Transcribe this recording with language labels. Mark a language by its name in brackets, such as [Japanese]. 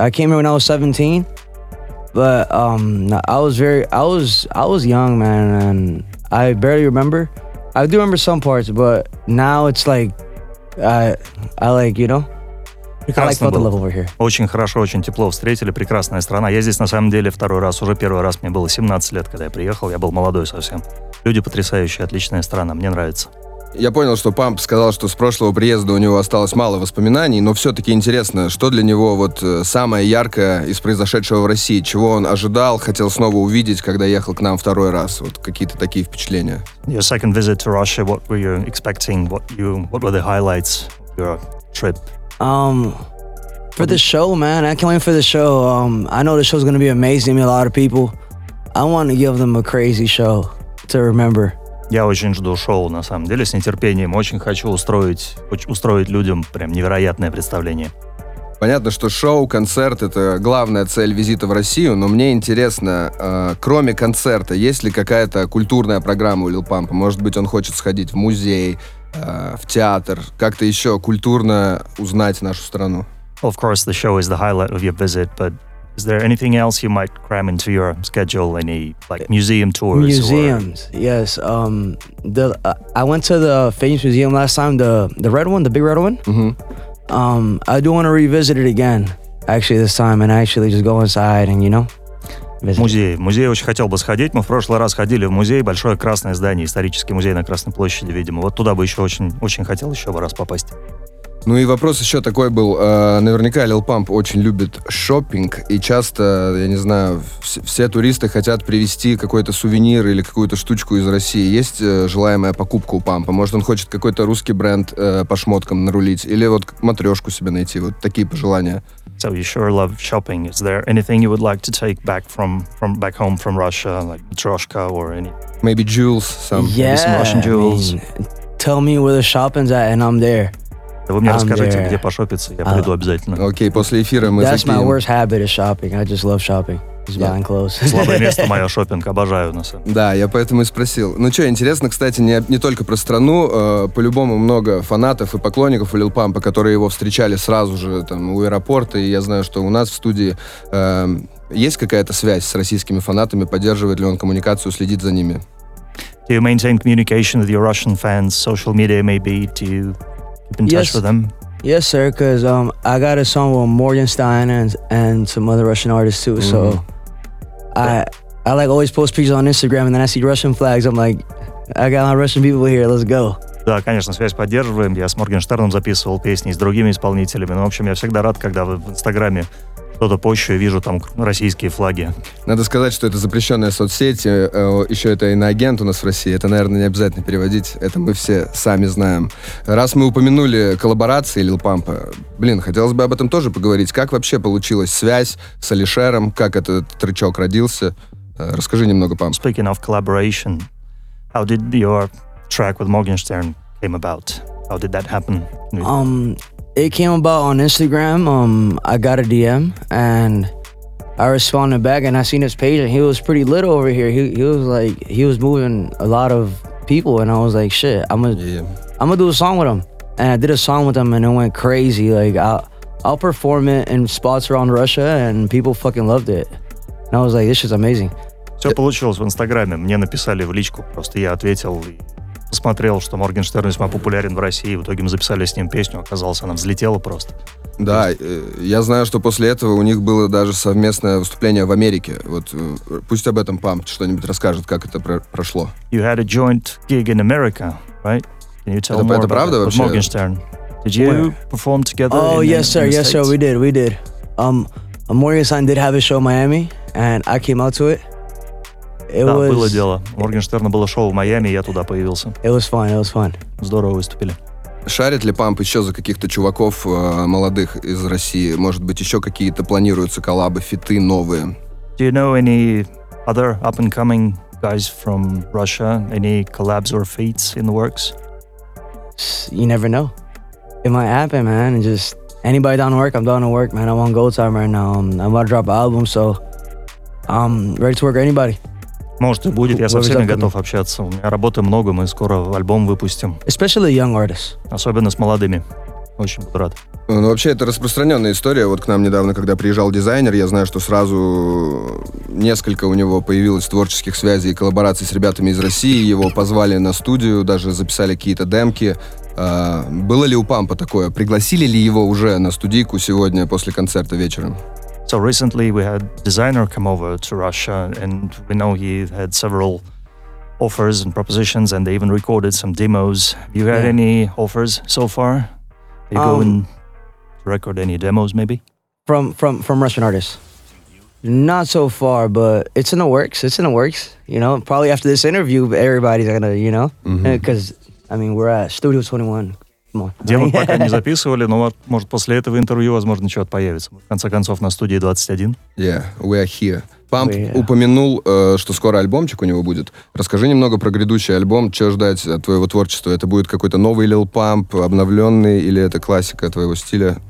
[English] I came here when I was 17, but I was young, man, and I barely remember. I do remember some parts, but now it's like, I felt the love over here. [Russian] Очень хорошо, очень тепло встретили, прекрасная страна. Я здесь на самом деле второй раз, уже первый раз мне было 17 лет, когда я приехал, я был молодой совсем. Люди потрясающие, отличная страна, мне нравится. Я понял, что Pump сказал, что с прошлого приезда у него осталось мало воспоминаний, но все-таки интересно, что для него вот самое яркое из произошедшего в России, чего он ожидал, хотел снова увидеть, когда ехал к нам второй раз, вот какие-то такие впечатления. [English] Your second visit to Russia, what were you expecting? What were the highlights of your trip? For the show, man, I can't wait for the show. I know the show's gonna be amazing, a lot of people. I want to give them a crazy show to remember. [Russian] Я очень жду шоу, на самом деле, с нетерпением. Очень хочу устроить людям прям невероятное представление. Понятно, что шоу, концерт — это главная цель визита в Россию, но мне интересно, кроме концерта, есть ли какая-то культурная программа у Lil Pump'а? Может быть, он хочет сходить в музей, в театр, как-то еще культурно узнать нашу страну? [English] Of course, the show is the highlight of your visit, but is there anything else you might cram into your schedule? Any like museum tours? Museums, or? Yes. I went to the famous museum last time. The red one, the big red one. Mm-hmm. I do want to revisit it again, actually, this time, and actually just go inside and, you know. [Russian] Музей очень хотел бы сходить. Мы в прошлый раз ходили в музей, большое красное здание, исторический музей на Красной площади, видимо. Вот туда бы еще очень хотел еще раз попасть. Ну и вопрос еще такой был. Наверняка Lil Pump очень любит шопинг, и часто, я не знаю, все туристы хотят привезти какой-то сувенир или какую-то штучку из России. Есть желаемая покупка у Pump'а? Может, он хочет какой-то русский бренд по шмоткам нарулить? Или вот матрешку себе найти? Вот такие пожелания. [English] So you sure love shopping. Is there anything you would like to take back from back home from Russia? Like matrешка or any... Maybe jewels, some. Yeah, maybe some Russian jewels. I mean, tell me where the shopping's at and I'm there. [Russian] Вы мне расскажите, где пошопиться, я приду обязательно. Окей, после эфира мы закинем. [English] That's my worst habit is shopping. I just love shopping. Just buying clothes. [Russian] Слабое место мое шопинг, обожаю на самом деле. Да, я поэтому и спросил. Ну что, интересно, кстати, не только про страну. По-любому много фанатов и поклонников у Lil Pump'а, которые его встречали сразу же там у аэропорта. И я знаю, что у нас в студии есть какая-то связь с российскими фанатами? Поддерживает ли он коммуникацию, следит за ними? [English] Do you maintain communication with your Russian fans? Social media maybe? Do you... in touch, yes, with them? Yes, sir, because I got a song with Morgenstern and some other Russian artists too. Mm-hmm. So I like always post pictures on Instagram and then I see Russian flags. I'm like, I got my Russian people here, let's go. [Russian] Да, конечно, связь поддерживаем. Я с Моргенштерном записывал песни и с другими исполнителями. Ну, в общем, я всегда рад, когда вы в Инстаграме что-то пощу и вижу там российские флаги. Надо сказать, что это запрещенная соцсеть. Еще это иноагент у нас в России. Это, наверное, не обязательно переводить. Это мы все сами знаем. Раз мы упомянули коллаборации Lil Pump'а, блин, хотелось бы об этом тоже поговорить. Как вообще получилась связь с Алишером? Как этот тречок родился? Расскажи немного, Pump. [English] Speaking of collaboration, how did your track with Morgenstern came about? How did that happen? It came about on Instagram. I got a DM and I responded back and I seen his page and he was pretty lit over here. He was like, he was moving a lot of people and I was like, shit, I'm gonna do a song with him. And I did a song with him and it went crazy. Like I'll perform it in spots around Russia and people fucking loved it. And I was like, this shit's amazing. [Russian] Все получилось в Инстаграме. Мне написали в личку, просто я ответил. посмотрел, что Моргенштерн весьма популярен в России. В итоге мы записали с ним песню, оказалось, она взлетела просто. Да, я знаю, что после этого у них было даже совместное выступление в Америке. Вот пусть об этом Памп что-нибудь расскажет, как это прошло. [English] You had a joint gig in America, right? Can you tell [Russian] это, [English] more [Russian] это правда [English] about [Russian] вообще? [English] Моргенштерн. Did you perform together? Oh, in yes, sir. In the yes, sir. We did. We did. Моргенштерн did have a show in Miami, and I came out to it. [Russian] Было дело. У Моргенштерна было шоу в Майами, и я туда появился. [English] It was fun. It was fun. [Russian] Здорово выступили. Шарит ли Памп еще за каких-то чуваков молодых из России? Может быть, еще какие-то планируются коллабы, фиты новые? [English] Do you know any other up-and-coming guys from Russia? Any collabs or feats in the works? You never know. It might happen, man. Just anybody down to work, I'm down to work, man. I'm on go time right now. I'm about to drop an album, so I'm ready to work with anybody. [Russian] Может, и будет. Я со всеми готов общаться. У меня работы много, мы скоро альбом выпустим. [English] Especially young artists. [Russian] Особенно с молодыми. Очень буду рад. Ну, вообще, это распространенная история. Вот к нам недавно, когда приезжал дизайнер, я знаю, что сразу несколько у него появилось творческих связей и коллабораций с ребятами из России. Его позвали на студию, даже записали какие-то демки. Было ли у Пампа такое? Пригласили ли его уже на студийку сегодня после концерта вечером? [English] So recently we had designer come over to Russia and we know he had several offers and propositions and they even recorded some demos. You had any offers so far? Are you going to record any demos maybe? From Russian artists. Not so far, but it's in the works. It's in the works. You know, probably after this interview everybody's gonna, you know, because I mean we're at Studio 21. [Russian] Демок пока не записывали, но вот, может, после этого интервью, возможно, что-то появится. В конце концов, на студии 21. [English] Yeah, we are here. [Russian] Памп упомянул, что скоро альбомчик у него будет. Расскажи немного про грядущий альбом. Что ждать от твоего творчества? Это будет какой-то новый Lil Pump, обновленный, или это классика твоего стиля?